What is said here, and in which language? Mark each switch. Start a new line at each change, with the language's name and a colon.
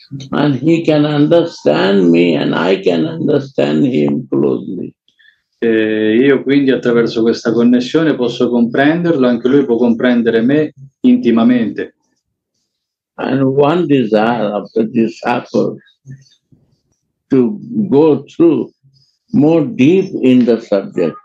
English: And he can understand me and I can understand him closely.
Italian: E io quindi attraverso questa connessione posso comprenderlo, anche lui può comprendere me intimamente.
English: And one desire of the disciple to go through more deep in the subject.